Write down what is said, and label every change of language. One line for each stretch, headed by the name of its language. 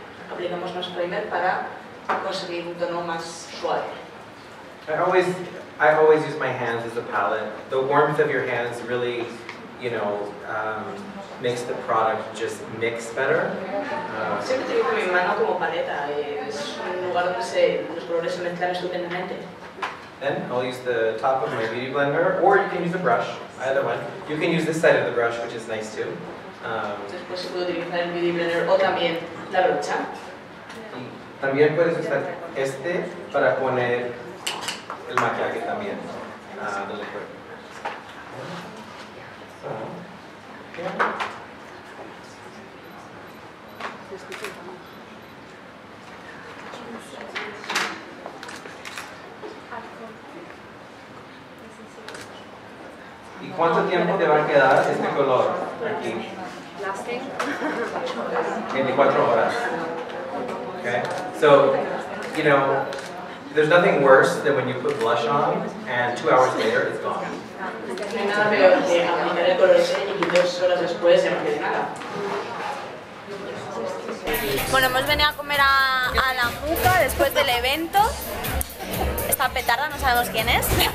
Spanish: Aplicamos más primer para conseguir un tono más suave.
English: I always use my hands as a palette. The warmth of your hands really, you know, makes the product just mix better.
Spanish: Siempre tengo mi mano como paleta. Es un lugar donde los colores se mezclan estupendamente.
English: Then I'll use the top of my beauty blender, or you can use a brush, either one. You can use this side of the brush, which is nice too.
Spanish: Después puedo utilizar el beauty blender o también la brocha. También puedes usar este para poner el maquillaje también.
English: The liquid.
Spanish: ¿Y cuánto tiempo te va a quedar este color aquí?
English: Lasting.
Spanish: 24 horas. Okay.
English: So, you know, there's nothing worse than when you put blush on and 2 hours later it's gone.
Spanish: No hay nada peor que aplicar el color y 2 horas después ya no queda nada. Bueno, hemos venido a comer a la Muca después del evento. Esta petarda, no sabemos quién es.